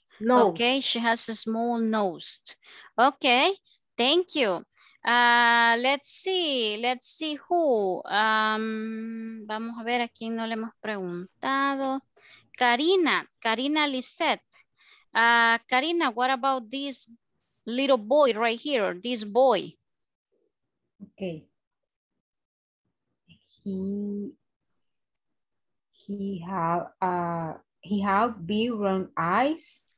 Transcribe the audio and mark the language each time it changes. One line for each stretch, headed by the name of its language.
English: Okay, she has a small nose. Okay, thank you. Let's see who.
Spanish: Vamos a ver a quién no le hemos preguntado. Karina Lisette.
English: Karina, what about this little boy right here? This boy. Okay. He have big round eyes.